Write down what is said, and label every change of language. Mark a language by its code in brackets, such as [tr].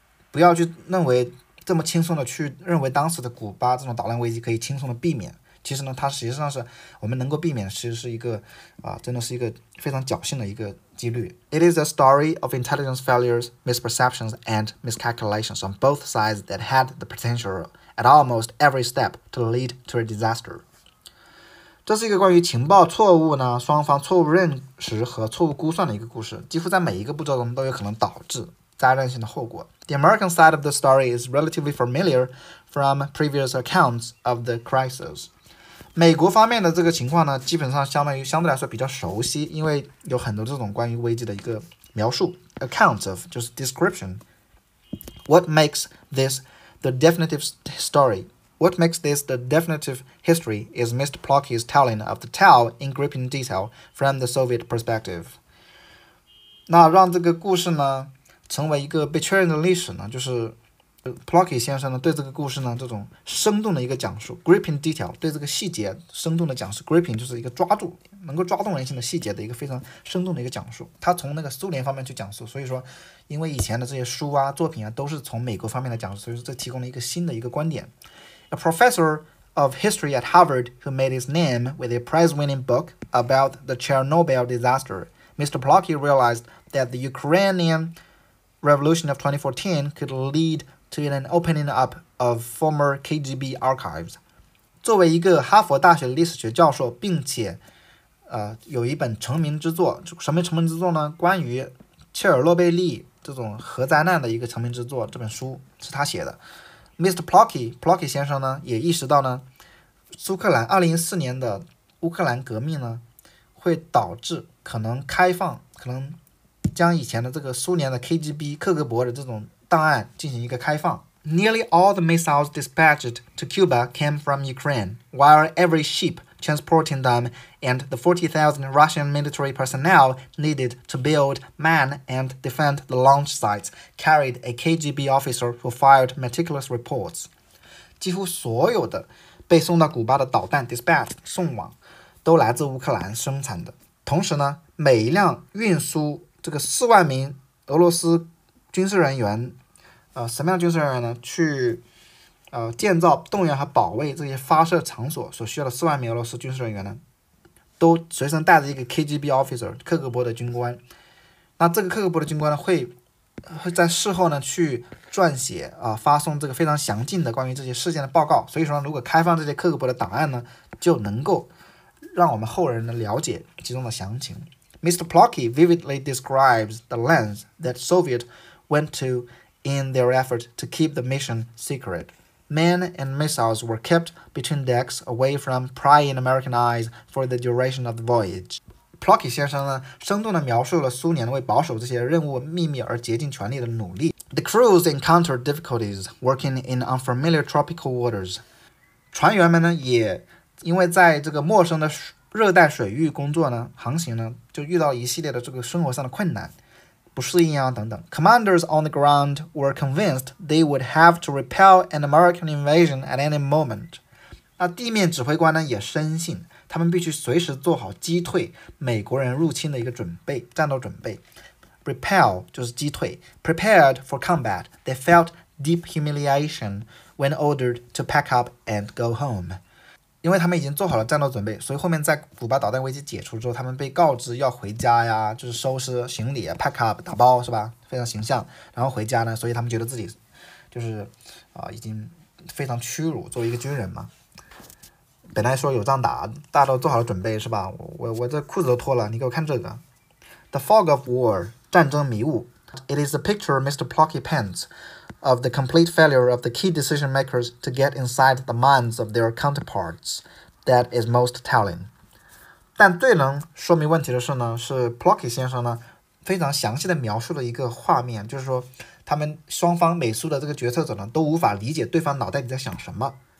[zh] 不要去认为这么轻松的去认为当时的古巴这种导弹危机可以轻松的避免，其实呢它实际上是我们能够避免，其实是一个真的是一个非常侥幸的一个几率。 [en] It is a story of intelligence failures, misperceptions and miscalculations on both sides that had the potential at almost every step to lead to a disaster. [zh] 这是一个关于情报错误呢双方错误认识和错误估算的一个故事，几乎在每一个步骤中都有可能导致灾难性的后果。 [en] The American side of the story is relatively familiar from previous accounts of the crisis. [zh] 美国方面的这个情况呢基本上相对来说比较熟悉，因为有很多这种关于危机的一个描述。 [en] Accounts of [zh] 就是 [en] description. What makes this the definitive story? What makes this the definitive history is Mr. Plocky's telling of the tale in gripping detail from the Soviet perspective. [zh] 那让这个故事呢成为一个被确认的历史呢，就是 Plocky 先生呢对这个故事呢这种生动的一个讲述， gripping detail 对这个细节生动的讲述， gripping 就是一个抓住能够抓动人心的细节的一个非常生动的一个讲述。他从那个苏联方面去讲述，所以说因为以前的这些书啊作品啊都是从美国方面的讲述，所以说这提供了一个新的一个观点。 [en] A professor of history at Harvard who made his name with a prize winning book about the Chernobyl disaster, Mr. Plocky realized that the UkrainianRevolution of 2014 could lead to an opening up of former KGB archives. [zh] 作为一个哈佛大学历史学教授，并且有一本成名之作，什么成名之作呢？关于切尔诺贝利这种核灾难的一个成名之作，这本书是他写的。 [en] Mr. [zh] Plocky 先生呢，也意识到呢，苏克兰2014年的乌克兰革命呢，会导致可能开放，可能将以前的这个苏联的 KGB 克格勃的这种档案进行一个开放。 [en] Nearly all the missiles dispatched to Cuba came from Ukraine, while every ship transporting them and the 40,000 Russian military personnel needed to build, man and defend the launch sites carried a KGB officer who filed meticulous reports. [zh] 几乎所有的被送到古巴的导弹 dispatch 送往都来自乌克兰生产的，同时呢每一辆运输这个四万名俄罗斯军事人员，什么样的军事人员呢？去建造、动员和保卫这些发射场所所需要的四万名俄罗斯军事人员呢，都随身带着一个 KGB officer 克格勃的军官。那这个克格勃的军官呢，会在事后呢去撰写发送这个非常详尽的关于这些事件的报告。所以说，如果开放这些克格勃的档案呢，就能够让我们后人呢了解其中的详情。 [en] Mr. Plocky vividly describes the lengths that Soviet went to in their effort to keep the mission secret. Men and missiles were kept between decks away from prying American eyes for the duration of the voyage. [zh] Plocky 先生呢，生动地描述了苏联为保守这些任务秘密而竭尽全力的努力。 [en] The crews encountered difficulties working in unfamiliar tropical waters. [zh] 船员们呢，也因为在这个陌生的热带水域工作呢，航行呢就遇到一系列的这个生活上的困难，不适应啊等等。 [en] Commanders on the ground were convinced they would have to repel an American invasion at any moment. [zh] 那地面指挥官呢也深信，他们必须随时做好击退美国人入侵的一个准备，战斗准备。 Repel 就是击退。 [en] Prepared for combat, they felt deep humiliation when ordered to pack up and go home. [zh] 因为他们已经做好了战斗准备，所以后面在古巴导弹危机解除之后，他们被告知要回家呀，就是收拾行李 pack up 打包是吧，非常形象，然后回家呢，所以他们觉得自己就是已经非常屈辱，作为一个军人嘛，本来说有仗打，大家都做好了准备是吧，我这裤子都脱了，你给我看这个 [en] The fog of war [zh] 战争迷雾 [en] It is a picture Mr. Plucky paintsOf the complete failure of the key decision makers to get inside the minds of their counterparts, that is most telling. [zh] 但最能说明问题的是呢，是 Plucky 先生呢非常详细的描述了一个画面，就是说他们双方美苏的这个决策者呢都无法理解对方脑袋里在想什么。